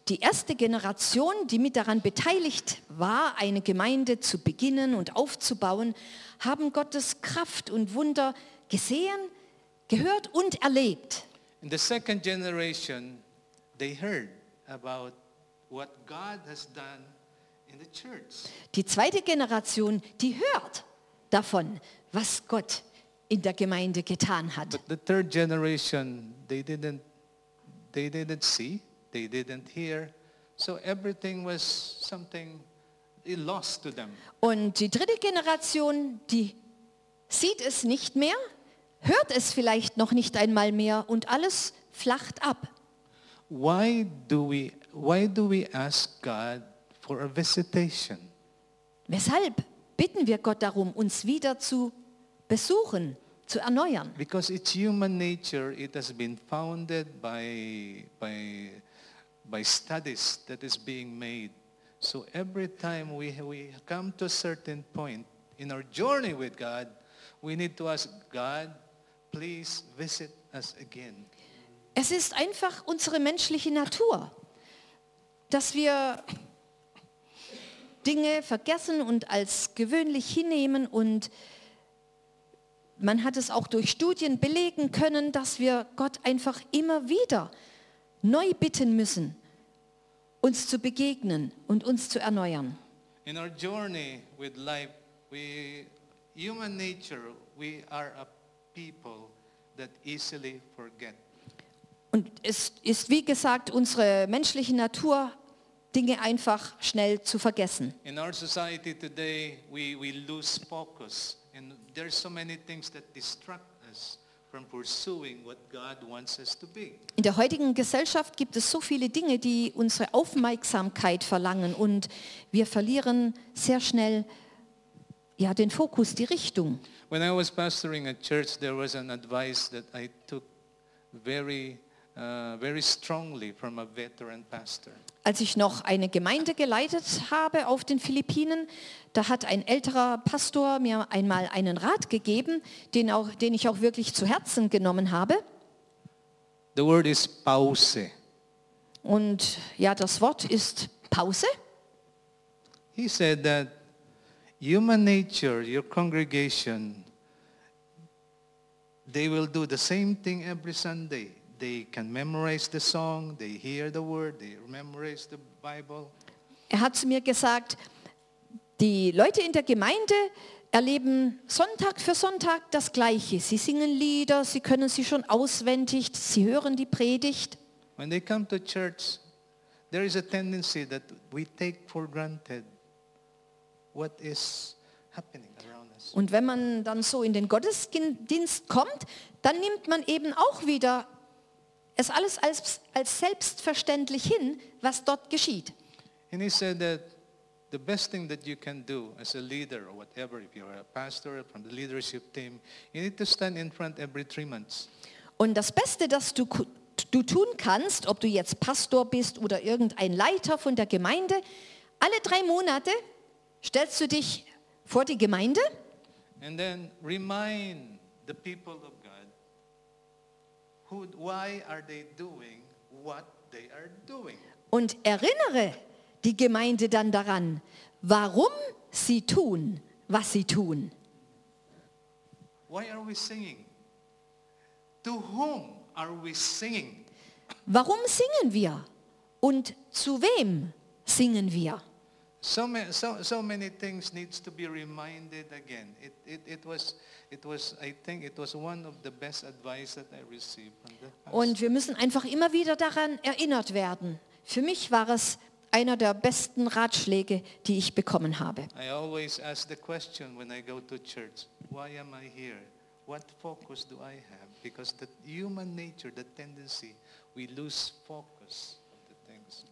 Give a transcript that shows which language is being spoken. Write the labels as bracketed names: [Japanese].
[German] Die erste Generation, die mit daran beteiligt war, eine Gemeinde zu beginnen und aufzubauen, haben Gottes Kraft und Wunder gesehen, gehört und erlebt. [English] In the second generation, they heard about what God has done in the church. [German] Die zweite Generation, die hört davon, was Gott in der Gemeinde getan hat. [English] But the third generation, they didn't see, they didn't hear, so everything was something lost to them. [German] Und die dritte Generation, die sieht es nicht mehr, hört es vielleicht noch nicht einmal mehr und alles flacht ab. [English] Why do we ask God for a visitation? [German] Weshalb bitten wir Gott darum, uns wieder zu besuchen, zu erneuern? [English] Because it's human nature, it has been founded by studies that is being made. So every time we come to a certain point in our journey with God, we need to ask God, please visit us again. [German] Es ist einfach unsere menschliche Natur, dass wir Dinge vergessen und als gewöhnlich hinnehmen, und man hat es auch durch Studien belegen können, dass wir Gott einfach immer wieder neu bitten müssen, uns zu begegnen und uns zu erneuern. [English] In our journey with life, human nature, we are a people that easily forget. [German] Und es ist, wie gesagt, unsere menschliche Natur, Dinge einfach schnell zu vergessen. [English] In our society today, we lose focus. And there are so many things that distract us from pursuing what God wants us to be. [German] In der heutigen Gesellschaft gibt es so viele Dinge, die unsere Aufmerksamkeit verlangen. Und wir verlieren sehr schnell, ja, den Fokus, die Richtung. [English] When I was pastoring a church, there was an advice that I took very strongly from a veteran pastor. [German] Als ich noch eine Gemeinde geleitet habe auf den Philippinen, da hat ein älterer Pastor mir einmal einen Rat gegeben, den ich auch wirklich zu Herzen genommen habe. [English] The word is Pause. [German] Und ja, das Wort ist Pause. [English] He said that human nature, your congregation, they will do the same thing every Sunday. They can memorize the song, they hear the word, they memorize the Bible. [German] Er hat zu mir gesagt, die Leute in der Gemeinde, erleben Sonntag für Sonntag das Gleiche. Sie singen Lieder, sie können sie schon auswendig, sie hören die Predigt. [English] When they come to church, there is a tendency that we take for granted what is happening around us. [German] Und wenn man dann so in den Gottesdienst kommt, dann nimmt man eben auch wieder es alles als selbstverständlich hin, was dort geschieht. [English] And he said that the best thing that you can do as a leader or whatever, if you're a pastor from the leadership team, you need to stand in front every 3 months. [German] Und das Beste, das du tun kannst, ob du jetzt Pastor bist oder irgendein Leiter von der Gemeinde, alle 3 Monate stellst du dich vor die Gemeinde. [English] And then remind the people of God, why are they doing what they are doing? [German] Und erinnere die Gemeinde dann daran, warum sie tun, was sie tun. [English] Why are we singing? To whom are we singing? [German] Warum singen wir? Und zu wem singen wir? [English] So many things needs to be reminded again. It was one of the best advice that I received from the pastor. [German] Und wir müssen einfach immer wieder daran erinnert werden. Für mich war es einer der besten Ratschläge, die ich bekommen habe. [English] I always ask the question when I go to church, why am I here? What focus do I have? Because the human nature, the tendency, we lose focus of the things.